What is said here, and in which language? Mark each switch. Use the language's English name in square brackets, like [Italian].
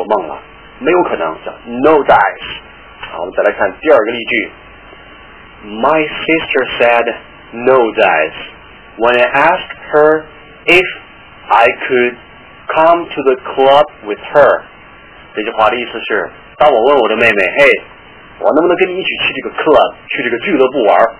[Chinese] 他说,别做梦了,没有可能,叫 no dice. 好,我们再来看第二个例句。 [English] My sister said, no dice, when I asked her if I could come to the club with her. [Chinese] 这句话的意思是,当我问我的妹妹,嘿,我能不能跟你一起去这个 club,去这个俱乐部玩?